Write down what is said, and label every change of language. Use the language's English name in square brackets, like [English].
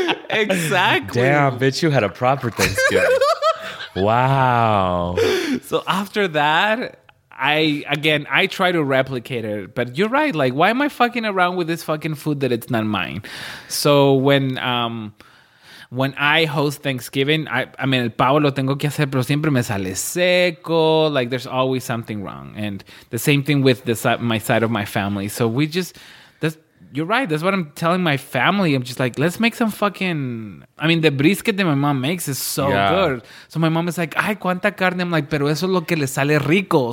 [English] Exactly. Damn, bitch, you had a proper Thanksgiving. Wow. So after that, I try to replicate it, but you're right. Like, why am I fucking around with this fucking food that it's not mine? So when I host Thanksgiving, I mean, [Spanish] el pavo lo tengo que hacer, pero siempre me sale seco. [English] Like, there's always something wrong. And the same thing with my side of my family. So we just, you're right. That's what I'm telling my family. I'm just like, let's make some fucking, I mean, the brisket that my mom makes is so good. So my mom is like, [Spanish] ay, cuánta carne. [English] I'm like, [Spanish] pero eso es lo que le sale rico.